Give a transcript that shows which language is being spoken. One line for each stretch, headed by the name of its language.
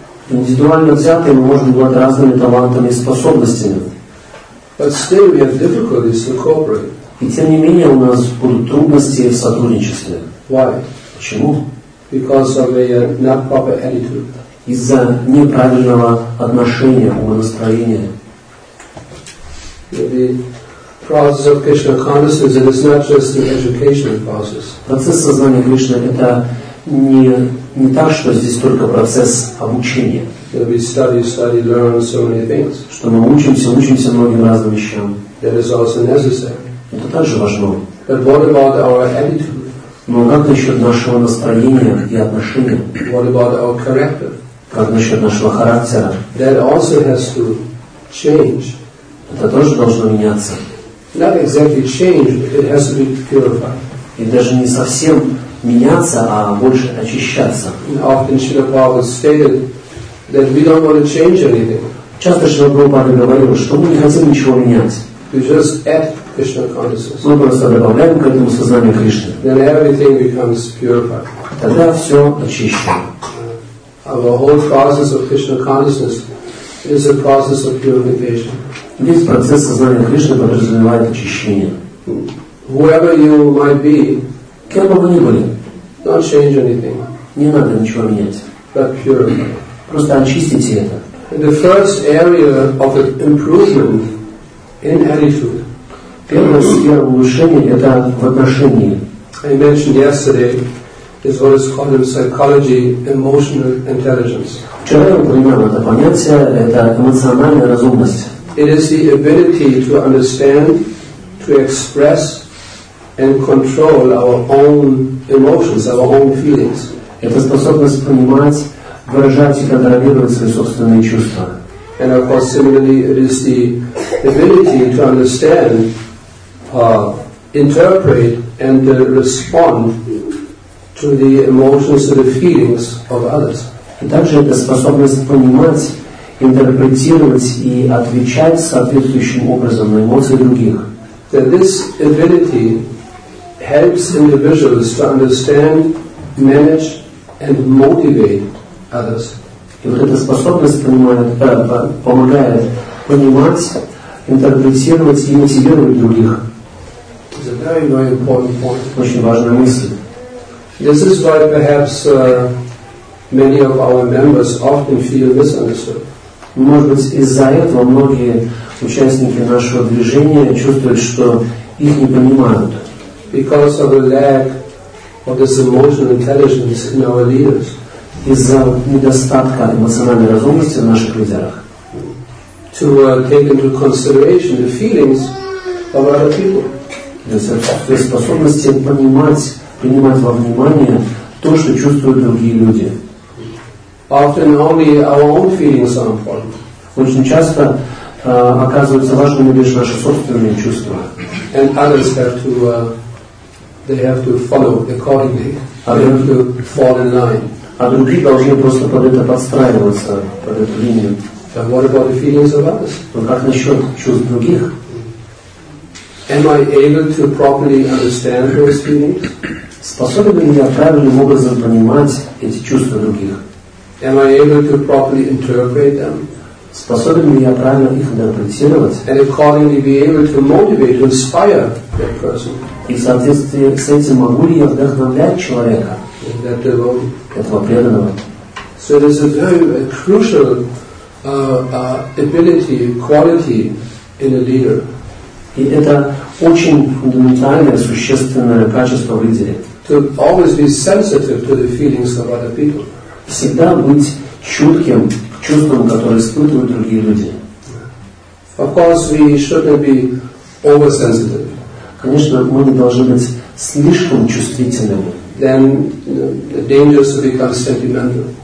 Russian: Индивидуально взятые мы можем быть разными талантами и способностями.
English: But still we have difficulties to cooperate.
Russian: И тем не менее у нас будут трудности в сотрудничестве.
English: Why?
Russian: Почему?
English: Because of a not proper attitude.
Russian: Из-за неправильного отношения, умонастроения.
English: The process of Krishna consciousness, it is not just the educational process.
Russian: Процесс сознания Кришны — это не так, что здесь только процесс обучения.
English: That we study, learn so many things.
Russian: Что мы учимся многим разным вещам.
English: That is also necessary.
Russian: Это также важно.
English: But what about our attitude?
Russian: Но как насчет нашего настроения и отношения?
English: What about our character?
Russian: Как насчет нашего характера?
English: That also has to change.
Russian: Это тоже должно меняться.
English: Not exactly change, but it has to be purified.
Russian: И даже не совсем меняться, а больше очищаться.
English: Often Srila Prabhupada stated that we don't want to change anything.
Russian: Часто Шрила Прабхупада говорил, что мы не хотим ничего менять.
English: We just add Krishna consciousness.
Russian: Мы просто добавляем к этому сознание Кришны.
English: Then everything becomes purified.
Russian: Тогда все очищено.
English: Our whole process of Krishna consciousness is a process of purification.
Russian: Весь процесс сознания Кришны подразумевает очищение.
English: Whoever you might be,
Russian: кем бы вы ни были,
English: don't change anything.
Russian: Не надо ничего менять.
English: But purify.
Russian: Просто очистите это.
English: The first area of improvement in attitude.
Russian: Первая сфера улучшения – это в отношении.
English: I mentioned yesterday is what is called in psychology emotional intelligence.
Russian: Вчера я упоминал это понятие – это эмоциональная разумность.
English: It is the ability to understand, to express, and control our own emotions, our own feelings.
Russian: Это способность понимать, выражать и контролировать свои собственные чувства.
English: And of course, similarly, it is the ability to understand, interpret, and respond to the emotions and the feelings of others.
Russian: И также это способность понимать, интерпретировать и отвечать соответствующим образом на эмоции других.
English: That this ability helps individuals to understand, manage, and motivate others.
Russian: И вот эта способность помогает понимать, интерпретировать и мотивировать других.
English: It's a very, very important point.
Russian: Очень важная мысль.
English: This is why perhaps many of our members often feel misunderstood.
Russian: Может быть, из-за этого многие участники нашего движения чувствуют, что их не понимают.
English: Because of the lack of this emotional intelligence in our leaders.
Russian: Из-за недостатка эмоциональной разумности в наших лидерах.
English: To take into consideration the feelings of other people.
Russian: То есть способности принимать во внимание то, что чувствуют другие люди.
English: Often only our own feelings are important.
Russian: Очень часто оказывается важными лишь наши собственные чувства.
English: And others have to, they have to follow accordingly. They have to fall in line.
Russian: А другие должны просто под это подстраиваться, под эту линию.
English: And what about the feelings of others?
Russian: Но как насчет чувств других?
English: Am I able to properly understand those feelings?
Russian: Способен ли я правильным образом понимать эти чувства других?
English: Am I able to properly interpret them?
Russian: Способен ли я правильно их интерпретировать?
English: And accordingly be able to motivate, inspire that person?
Russian: И в соответствии с этим могу ли я вдохновлять человека?
English: That devotee.
Russian: Этого преданного.
English: So this is a crucial ability, quality in a leader.
Russian: И это очень фундаментальное, существенное качество в лидере.
English: To always be sensitive to the feelings of other people.
Russian: Всегда быть чутким к чувствам, которые испытывают другие люди.
English: Of course, we shouldn't be oversensitive.
Russian: Конечно, мы не должны быть слишком чувствительными.
English: Then the danger to become sentimental.